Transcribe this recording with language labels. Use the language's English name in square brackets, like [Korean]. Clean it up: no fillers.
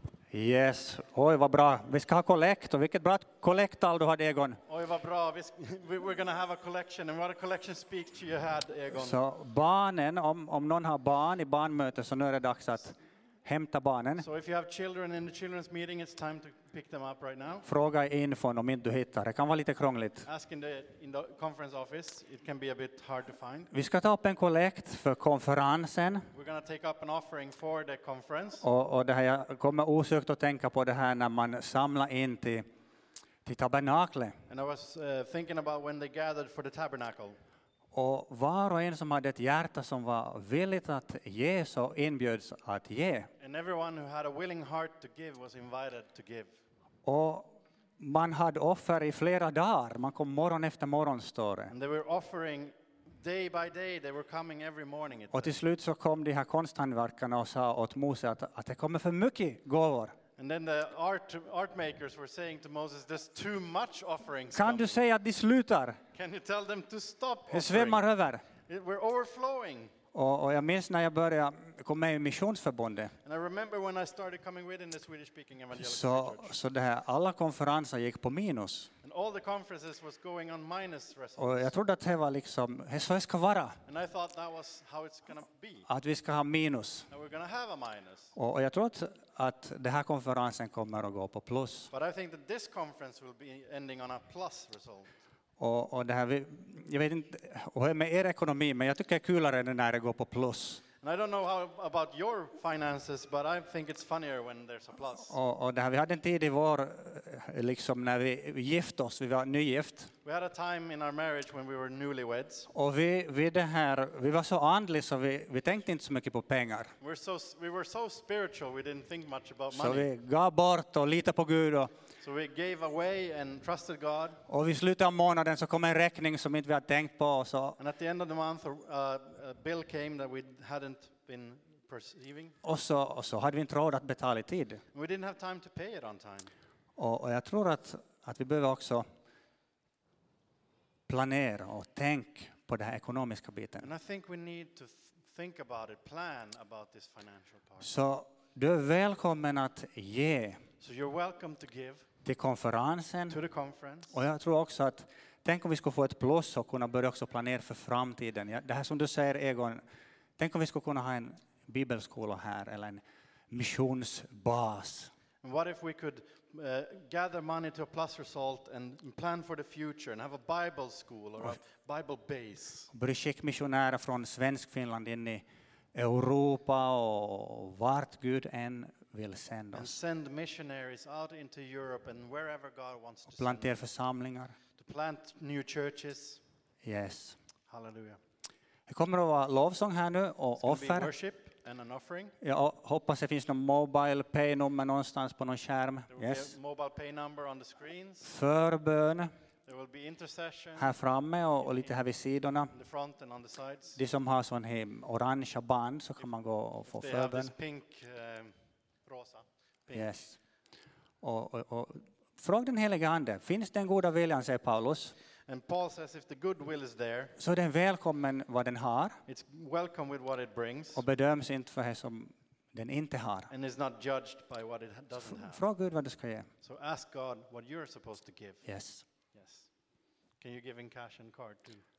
[Swedish] Yes. Oj, vad bra. Vi ska ha kollekt. Vilket bra kollektal du hade, Egon. Oj, vad bra. [English] We're going to have a collection. And what a collection speaks to you had, Egon. [Swedish] Så barnen, om någon har barn i barnmöte, så nu är det dags att hämta barnen. [English] So if you have children in the children's meeting, it's time to pick them up right now. [Swedish] Fråga infon om inte du hittar. Det kan vara lite krångligt. [English] Ask in the conference office. It can be a bit hard to find. [Swedish] Vi ska ta upp en kollekt för konferensen. [English] We're going to take up an offering for the conference. [Swedish] Och det här, jag kommer osökt att tänka på det här när man samlar in till tabernaklet. [English] And I was thinking about when they gathered for the tabernacle. [Swedish] Och var och en som hade ett hjärta som var villigt att ge, så inbjöds att ge. [English] And everyone who had a willing heart to give was invited to give. [Swedish] Och man hade offer i flera dagar. Man kom morgon efter morgon, står det. [English] And they were offering day by day. They were coming every morning. [Swedish] Och till slut så kom de här konsthandverkarna och sa åt Mose att det kommer för mycket gåvor. [English] And then the art makers were saying to Moses, there's too much offerings. [Swedish] Kan du säga att de slutar? [English] Can you tell them to stop? [Swedish] Det svämmar över. [English] We're overflowing. [Swedish] Och jag minns när jag började komma med i missionsförbundet. [English] And I remember when I started coming with in the Swedish speaking evangelical church. [Swedish] Så det här, alla konferenser gick på minus. [English] And all the conferences was going on minus results. [Swedish] Och jag trodde att det var liksom, så det ska vara. [English] And I thought that was how it's gonna be. [Swedish] Att vi ska ha minus. [English] And we're gonna have a minus. [Swedish] Och jag trodde att den här konferensen kommer att gå på plus. [English] But I think that this conference will be ending on a plus result. [Swedish] Och det här, jag vet inte hur med er ekonomi, men jag tycker det är kulare när det går på plus. [English] And I don't know how about your finances, but I think it's funnier when there's a plus. [Swedish] Och det här, vi hade en tid i vår, liksom när vi gift oss, vi var nygift. [English] We had a time in our marriage when we were newlyweds. [Swedish] Och vi var så andliga, så vi tänkte inte så mycket på pengar. [English] We were so spiritual, we didn't think much about [Swedish] så [English] money. [Swedish] Så vi gav bort och litade på Gud. [English] So we gave away and trusted God. [Swedish] Och vid slutet av månaden så kom en räkning som inte vi hade tänkt på. Så. [English] And at the end of the month, a bill came that we hadn't been perceiving. [Swedish] Och så hade vi inte råd att betala i tid. [English] We didn't have time to pay it on time. [Swedish] Och jag tror att vi behöver också planera och tänka på den här ekonomiska biten. [English] And I think we need to think about it, plan about this financial part. [Swedish] Så du är välkommen att ge. [English] So you're welcome to give [Swedish] till konferensen. [English] To the conference. [Swedish] Och jag tror också att, tänk om vi skulle få ett plus och kunna börja också planera för framtiden. Ja, det här som du säger, Egon, tänk om vi skulle kunna ha en bibelskola här eller en missionsbas. [English] And what if we could gather money to a plus result and plan for the future and have a Bible school or a Bible base. [Swedish] Börja skicka missionärer från Svensk Finland in i Europa och vart Gud än vill sända oss. [English] And send missionaries out into Europe and wherever God wants to. [Swedish] Plantera församlingar. [English] To plant new churches. Yes. Hallelujah. [Swedish] Det kommer att vara lovsång här nu och offer. [English] Worship and an offering. [Swedish] Jag hoppas det finns någon mobile pay nummer någonstans på någon skärm. [English] Yes. There will be a mobile pay number on the screens. [Swedish] Förbön. [English] There will be intercession. [Swedish] Här framme och lite här vid sidorna. [English] In the front and on the sides. [Swedish] De som har sån här orange band, så kan man gå och få förbön. [English] This pink rosa. Pink. Yes. [Swedish] Och fråga den helige ande, finns den goda viljan, säger Paulus. [English] And Paul says if the good will is there. [Swedish] Så den välkommen vad den har. [English] It's welcome with what it brings. [Swedish] Och bedöms inte för det som den inte har. [English] And is not judged by what it doesn't have. [Swedish] Fråga Gud vad du ska ge. [English] So ask God what you're supposed to give. Yes. Yes. Can you give in cash and card too?